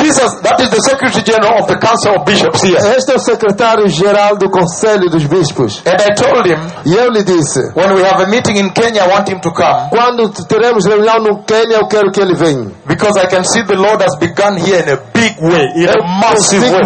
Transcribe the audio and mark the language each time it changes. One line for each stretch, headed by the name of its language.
English: Jesus, that is the Secretary General of the Council of Bishops here.
Portuguese: Este é o Secretário Geral do Conselho dos Bispos.
English: And I told him.
Portuguese: E eu lhe disse.
English: When we have a meeting in Kenya, I want him to come.
Portuguese: Quando teremos reunião no Quênia, eu quero que ele venha.
English: Because I can see the Lord has begun here in a big way, in a massive way.